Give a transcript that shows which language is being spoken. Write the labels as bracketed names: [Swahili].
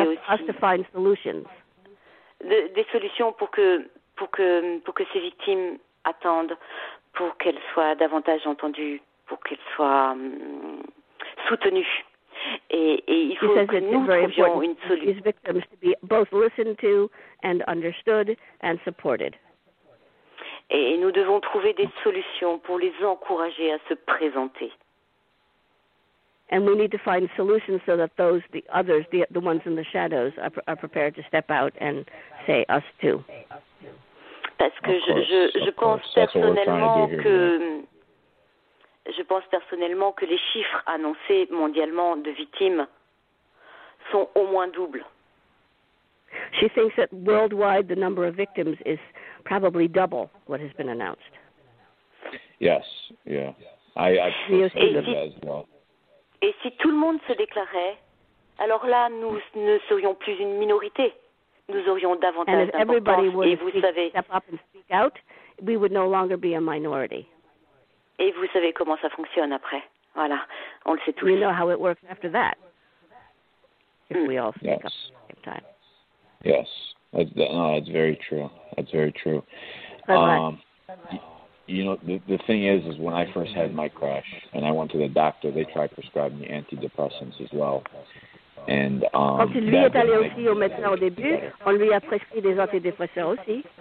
[French] Des solutions pour que ces victimes attendent, pour qu'elles soient davantage entendues, pour qu'elles soient soutenues. Et il faut que nous trouvions une solution. [English] These victims to be both listened to and understood and supported. [French] Et nous devons trouver des solutions pour les encourager à se présenter. [English] And we need to find solutions so that those, the others, the ones in the shadows, are prepared to step out and say us too. [French] Parce que je pense personnellement que les chiffres annoncés mondialement de victimes sont au moins doubles. [English] She thinks that worldwide the number of victims is probably double what has been announced. Yes, yeah. I see that as well. [French] Et si tout le monde se déclarait, alors là, nous ne serions plus une minorité. Nous aurions davantage d'importance. Et vous savez... Et vous savez comment ça fonctionne après. Voilà, on le sait tous. [English] We know how it works after that. If we all speak up at the same time. Yes. That's very true. That's very true. You know, the thing is when I first had my crash and I went to the doctor, they tried prescribing me antidepressants as well. And [French] quand il lui est allé aussi au médecin au début, on lui a prescrit des antidépresseurs aussi.